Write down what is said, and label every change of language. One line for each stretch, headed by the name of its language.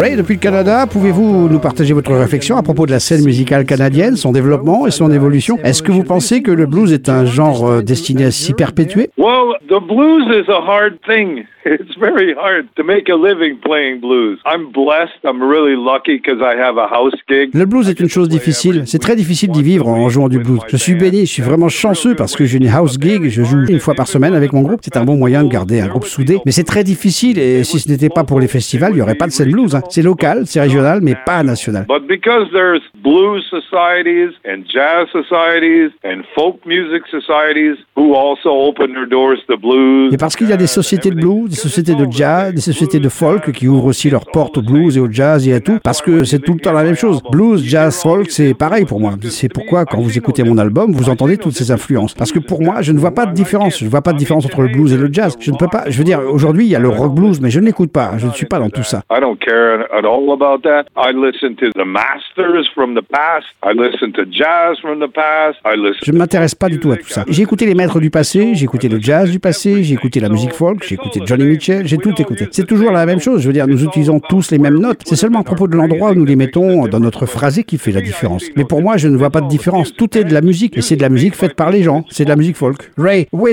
French: Ray, depuis le Canada, pouvez-vous nous partager votre réflexion à propos de la scène musicale canadienne, son développement et son évolution? Est-ce que vous pensez que le blues est un genre destiné à s'y perpétuer?
English: Well, the blues is a hard thing. It's very hard to make a living playing blues. I'm blessed, I'm really lucky because I have a house gig.
French: Le blues est une chose difficile. C'est très difficile d'y vivre en jouant du blues. Je suis béni, je suis vraiment chanceux parce que j'ai une house gig. Je joue une fois par semaine avec mon groupe. C'est un bon moyen de garder un groupe soudé. Mais c'est très difficile et si ce n'était pas pour les festivals, il n'y aurait pas de scène blues. Hein. C'est local, c'est régional, mais pas national.
English: But because there's blues societies and jazz societies and folk music societies who also open their doors to blues.
French: Et parce qu'il y a des sociétés de blues, des sociétés de jazz, des sociétés de folk qui ouvrent aussi leurs portes au blues et au jazz et à tout, parce que c'est tout le temps la même chose. Blues, jazz, folk, c'est pareil pour moi. C'est pourquoi, quand vous écoutez mon album, vous entendez toutes ces influences. Parce que pour moi, je ne vois pas de différence. Je ne vois pas de différence entre le blues et le jazz. Je ne peux pas... Je veux dire, aujourd'hui, il y a le rock blues, mais je ne l'écoute pas. Je ne suis pas dans tout ça.
English: I don't care at all about that. I listen to the masters from the past. I listen to jazz from the past. I listen...
French: Je ne m'intéresse pas du tout à tout ça. J'ai écouté les maîtres du passé, j'ai écouté le jazz du passé, j'ai écouté la musique folk, j'ai écouté Johnny Mitchell, j'ai tout écouté. C'est toujours la même chose, je veux dire, nous utilisons tous les mêmes notes. C'est seulement à propos de l'endroit où nous les mettons dans notre phrasé qui fait la différence. Mais pour moi, je ne vois pas de différence. Tout est de la musique, et c'est de la musique faite par les gens. C'est de la musique folk.
English: Ray, wait.